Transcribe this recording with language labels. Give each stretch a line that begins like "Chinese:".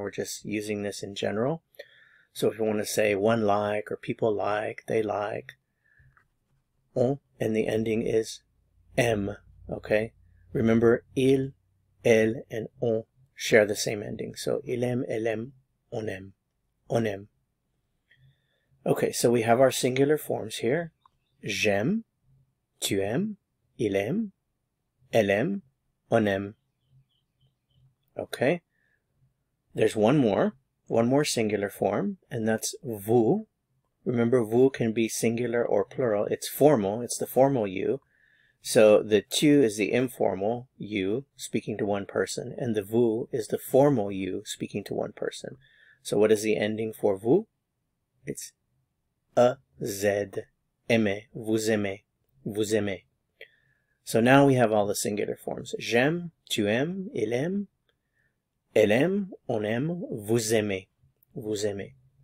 English: We're just using this in general. So if you want to say one like or people like, they like, on, and the ending is m. Okay, remember il, elle, and on share the same ending. So
French: il aime, elle aime, on aime, on aime.
English: Okay, so we have our singular forms here.
French: J'aime, tu aimes, il aime, elle aime, on aime.
English: Okay, there's one more singular form, and that's vous. Remember, vous can be singular or plural. It's formal, it's the formal you. So the tu is the informal you speaking to one person, and the vous is the formal you speaking to one person. So what is the ending for vous? It's a, z, aimer,
French: vous aimez, vous aimez.
English: So now we have all the singular forms.
French: J'aime, tu aimes, il aime, elle aime, on aime, vous aimez, vous aimez.